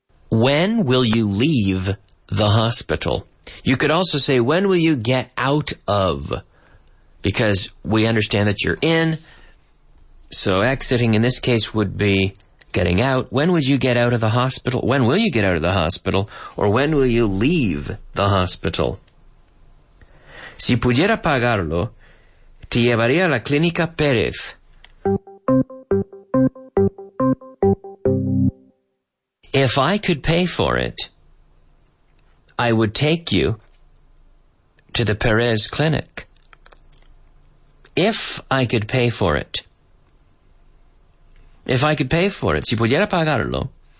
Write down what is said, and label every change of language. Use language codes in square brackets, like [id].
[en] When will you leave the hospital? You could also say, when will you get out of? Because we understand that you're in. So exiting in this case would be getting out. When would you get out of the hospital? When will you get out of the hospital? Or when will you leave the hospital? [es] Si pudiera pagarlo, te llevaría a la clínica Pérez. [en] If I could pay for it, I would take you to the Perez clinic. If I could pay for it. If I could pay for it. [es] Si pudiera pagarlo.